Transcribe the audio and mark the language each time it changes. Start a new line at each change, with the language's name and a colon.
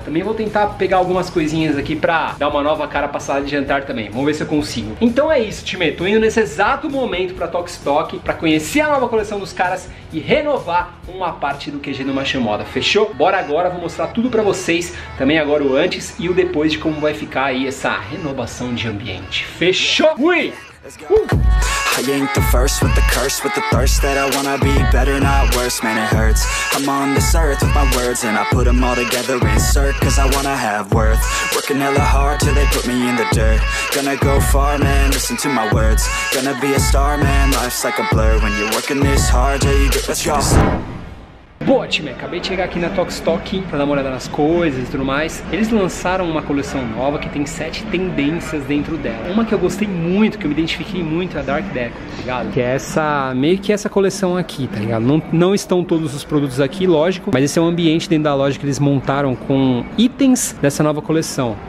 Portuguese: Também vou tentar pegar algumas coisinhas aqui pra dar uma nova cara pra sala de jantar também. Vamos ver se eu consigo. Então é isso, time. Tô indo nesse exato momento pra Tokstok pra conhecer a nova coleção dos caras e renovar uma parte do QG do Macho Moda, fechou? Bora agora, vou mostrar tudo pra vocês, também agora o antes e o depois de como vai ficar aí essa renovação de ambiente. Fechou? Ui!
English: I ain't the first with the curse, with the thirst that I wanna be better, not worse. Man, it hurts. I'm on this earth with my words, and I put them all together, insert, cause I wanna have worth. Working hella hard till they put me in the dirt. Gonna go far, man, listen to my words. Gonna be a star, man, life's like a blur. When you're working this hard, yeah, you get what you deserve.
Portuguese: Boa, time, acabei de chegar aqui na Tokstok pra dar uma olhada nas coisas e tudo mais. Eles lançaram uma coleção nova que tem 7 tendências dentro dela. Uma que eu gostei muito, que eu me identifiquei muito, é a Dark Deco, tá ligado? Que é essa, meio que essa coleção aqui, tá ligado? Não estão todos os produtos aqui, lógico, mas esse é um ambiente dentro da loja que eles montaram com itens dessa nova coleção.